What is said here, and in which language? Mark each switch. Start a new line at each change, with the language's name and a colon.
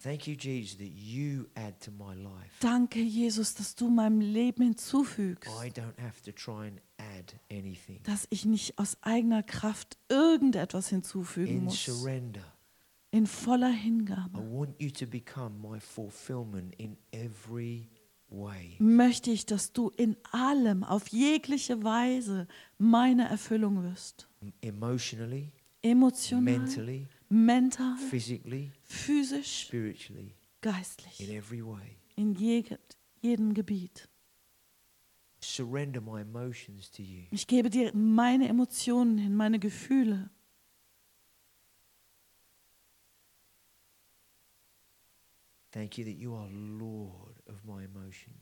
English: Thank you, Jesus, that you add to my life.
German: Danke, Jesus, dass du meinem Leben hinzufügst.
English: I don't have to try and add anything.
German: Dass ich nicht aus eigener Kraft irgendetwas hinzufügen in muss.
English: Surrender.
German: In voller Hingabe.
English: I want you to become my fulfillment in every
German: möchte ich, dass du in allem, auf jegliche Weise meine Erfüllung wirst.
English: Emotionally,
German: emotional,
English: mentally,
German: mental,
English: physically,
German: physisch,
English: spiritually,
German: geistlich,
English: in every way.
German: In jedem Gebiet.
English: Surrender my emotions to you.
German: Ich gebe dir meine Emotionen hin, meine Gefühle.
English: Thank you that you are Lord of my emotions.